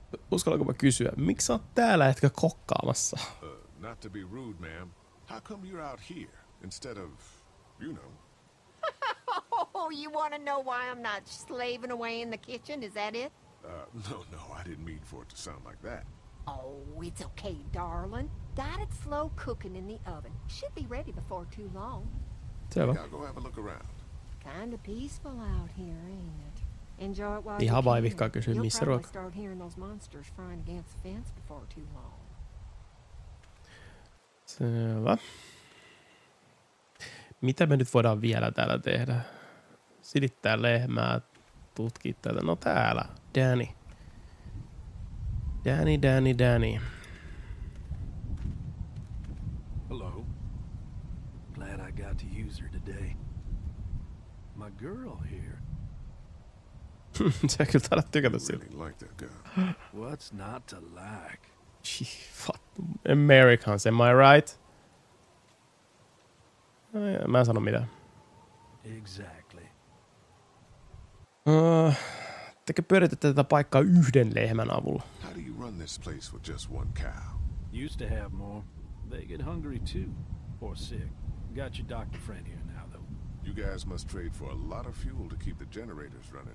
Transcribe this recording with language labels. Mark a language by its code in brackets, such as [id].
[fi] Uskallanko mä kysyä, miksi sä oot täällä etkä kokkaamassa? [en] Not to be rude, ma'am. How come you're out here instead of, you know? Oh, you want to know why I'm not slaving away in the kitchen? Is that it? No, I didn't mean for it to sound like that. Oh, it's okay, darling. Got it slow cooking in the oven. Should be ready before too long. Yeah, I'll go have a look around. Kind of peaceful out here, ain't it? Enjoy it while you can. You'll probably start hearing those monsters frying against the fence before too long. [fi] Selvä. Mitä me nyt voidaan vielä täällä tehdä? Silittää lehmää, tutkii tätä. No täällä, Danny. Danny. [en] Hello. Glad I got to use her today. My girl here. [fi] Sä kyllä täällä tykätä siitä. [en] What's not to like? Gee, what? Americans, am I right? [fi] Mä en sano mitään. [en] Exactly. [fi] Tekö pyöritätte tätä paikkaa yhden lehmän avulla? [en] How do you run this place with just one cow? Used to have more. They get hungry too. Or sick. Got your doctor friend here now though. You guys must trade for a lot of fuel to keep the generators running,